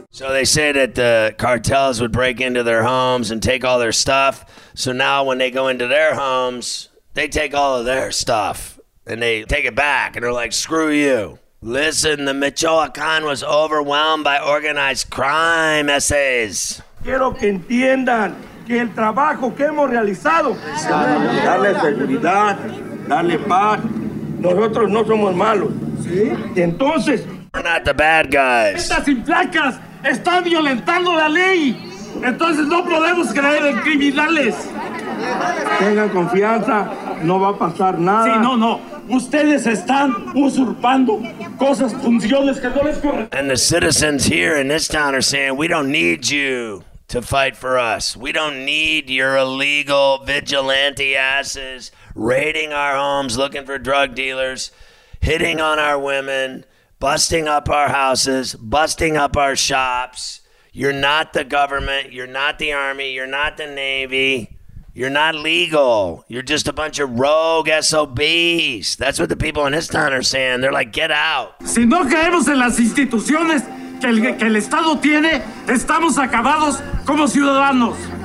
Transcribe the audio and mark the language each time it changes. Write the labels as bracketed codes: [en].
[en] So they say that the cartels would break into their homes and take all their stuff. So now when they go into their homes, they take all of their stuff and they take it back and they're like, screw you. Listen, the Michoacán was overwhelmed by organized crime essays. [es] Quiero que entiendan que el trabajo que hemos realizado es darle seguridad, darle paz. Nosotros no somos malos. ¿Sí? Entonces, [en] we're not the bad guys. [es] Estas sin placas están violentando la ley. Entonces no podemos creer en criminales. Tengan confianza, no va a pasar nada. Sí, no, no. Ustedes están usurpando cosas, funciones que no les corresponden. [en] And the citizens here in this town are saying, we don't need you to fight for us. We don't need your illegal vigilante asses raiding our homes, looking for drug dealers, hitting on our women, busting up our houses, busting up our shops. You're not the government. You're not the army. You're not the navy. You're not legal. You're just a bunch of rogue SOBs. That's what the people in this town are saying. They're like, get out. [es] Si no creemos en las instituciones que el Estado tiene, estamos acabados como ciudadanos.